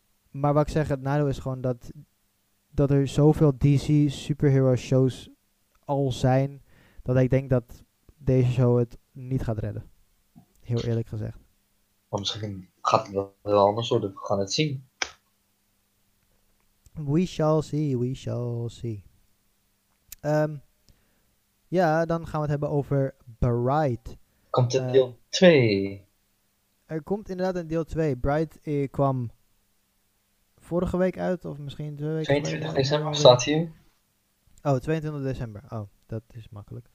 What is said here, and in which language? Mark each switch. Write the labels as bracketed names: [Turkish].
[Dutch] Maar wat ik zeg, het nadeel is gewoon dat er zoveel DC superhero shows al zijn, dat ik denk dat deze show het niet gaat redden. Heel eerlijk gezegd. Misschien gaat het wel anders worden. We gaan het zien. [English] We shall see, we shall see. [Dutch] Ja, dan gaan we het hebben over Bright. Komt er deel 2? Er komt inderdaad een deel 2. Bright kwam vorige week uit, of misschien 2 weken 22 geleden. december Helemaal weer. staat hier. Oh, 22 december. Oh, dat is makkelijk.